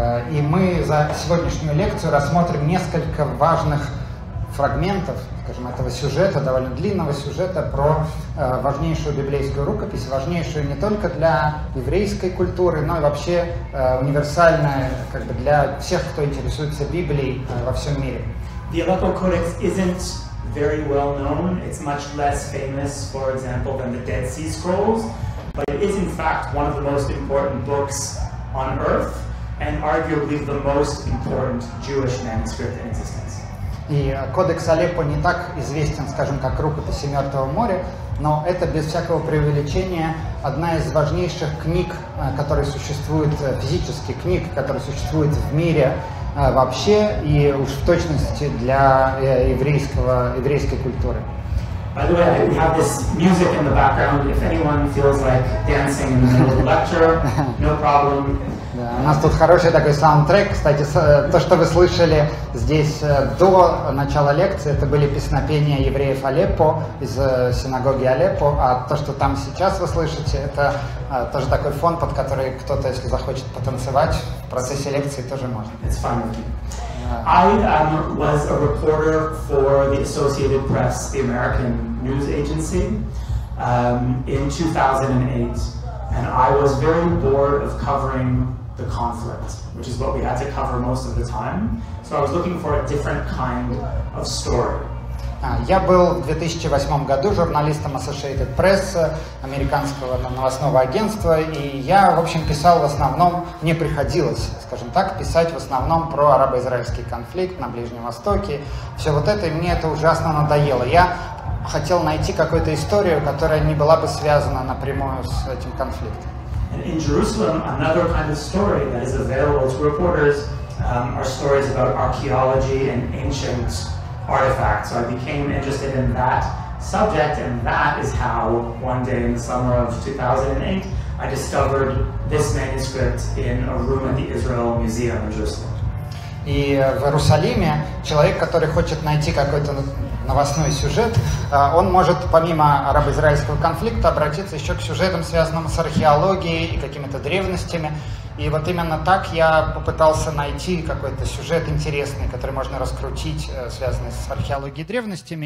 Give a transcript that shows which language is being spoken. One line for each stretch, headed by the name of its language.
Russian: И мы за сегодняшнюю лекцию рассмотрим несколько важных фрагментов, скажем, этого сюжета, довольно длинного сюжета про важнейшую библейскую рукопись, важнейшую не только для еврейской культуры, но и вообще универсальную, как бы для всех, кто интересуется Библией во всем мире.
English: The Aleppo Codex isn't very well known. It's much less famous, for example, than the Dead Sea Scrolls. But it is, in fact, one of the most important books on earth, and arguably the most important Jewish manuscript in existence.
Russian: И Кодекс Алеппо не так известен, скажем, как рукописи Мертвого моря, но это без всякого преувеличения одна из важнейших книг, которые существуют физически, книг, которые существуют в мире вообще и уж в точности для еврейской культуры.
English: By the way, we have this music in the background. If anyone feels like dancing in the middle of the lecture, no problem.
Russian: Да, у нас тут хороший такой саундтрек. Кстати, то, что вы слышали здесь до начала лекции, это были песнопения евреев Алеппо из синагоги Алеппо, а то, что там сейчас вы слышите, это тоже такой фон, под который кто-то, если захочет потанцевать в процессе лекции, тоже можно.
English: It's fine with me. I was a reporter for the Associated Press, the American news agency, in 2008, and I was very bored of covering the conflict, which is what we had to cover most of the time. So I was looking for a different kind of story.
Russian: Я был в 2008 году журналистом Associated Press, американского новостного агентства, и я, в общем, писал в основном, мне приходилось, скажем так, писать в основном про арабо-израильский конфликт на Ближнем Востоке, все вот это, и мне это ужасно надоело. Я хотел найти какую-то историю, которая не была бы связана напрямую с этим конфликтом.
English: In Jerusalem, another kind of story that is available to reporters are stories about archaeology and ancient artifacts. So I became interested in that subject, and that is how, one day in the summer of 2008, I discovered this manuscript in a room at the Israel Museum in Jerusalem.
Russian: И в Иерусалиме человек, который хочет найти какой-то новостной сюжет, он может помимо арабо-израильского конфликта обратиться еще к сюжетам, связанным с археологией и какими-то древностями. И вот именно так я попытался найти какой-то сюжет интересный, который можно раскрутить, связанный с археологией и древностями.